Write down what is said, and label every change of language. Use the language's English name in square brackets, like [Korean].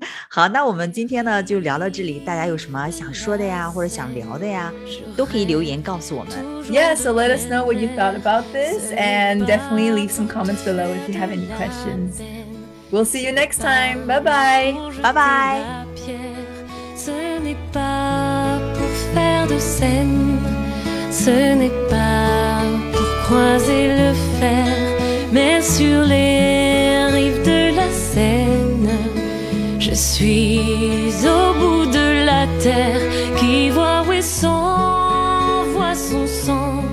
[Chinese] 好，那我们今天呢就聊到这里。大家有什么想说的呀，或者想聊的呀，都可以留言告诉我们。 [English] Yeah, so let us know what you thought about this, and definitely leave some comments below if you have any questions. We'll see you next time. Bye-bye. [French] Ce n'est pas pour faire de scène. Ce n'est pas pour croiser le fer. Mais sur les rives de la Seine, je suis au bout de la terre qui voit où est son, voit son sang.